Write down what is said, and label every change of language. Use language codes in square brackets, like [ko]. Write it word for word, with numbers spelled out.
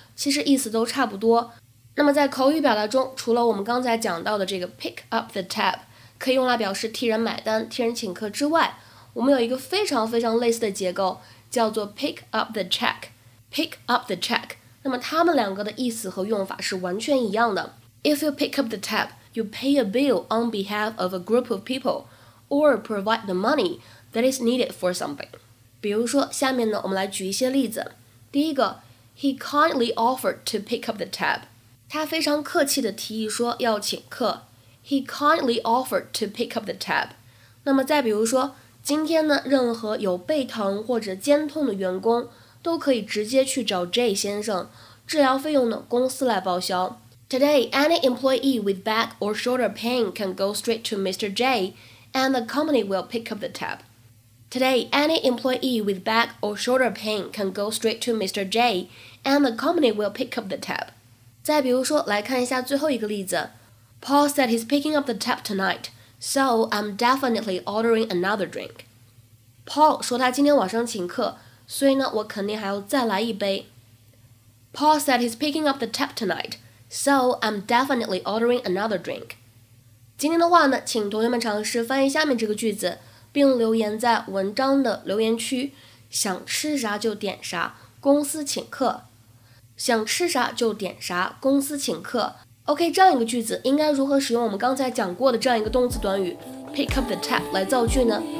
[zh] 其实意思都差不多。那么在口语表达中，除了我们刚才讲到的这个 pick up the tab 可以用来表示替人买单、替人请客之外，我们有一个非常非常类似的结构，叫做 pick up the check。pick up the check。那么它们两个的意思和用法是完全一样的。 [en] If you pick up the tab, you pay a bill on behalf of a group of people, or provide the money that is needed for something. [zh] 比如说，下面呢，我们来举一些例子。第一个 [en] ，He kindly offered to pick up the tab。 [zh] 他非常客气地提议说要请客。 [en] He kindly offered to pick up the tab。 [zh] 那么再比如说，今天呢，任何有背疼或者肩痛的员工都可以直接去找 J 先生，治疗费用呢公司来报销。 [en] Today, any employee with back or shoulder pain can go straight to Mister J, and the company will pick up the tab. Today, any employee with back or shoulder pain can go straight to Mister J, and the company will pick up the tab. [zh] 再比如说，来看一下最后一个例子。 [en] Paul said he's picking up the tab tonight, so I'm definitely ordering another drink. [zh] Paul 说他今天晚上请客，所以呢，我肯定还要再来一杯。 [en] Paul said he's picking up the tab tonight, so I'm definitely ordering another drink. [zh] 今天的话呢，请同学们尝试翻译下面这个句子，并留言在文章的留言区。想吃啥就点啥，公司请客。想吃啥就点啥，公司请客。 OK， 这样一个句子应该如何使用我们刚才讲过的这样一个动词短语 pick up the tab 来造句呢？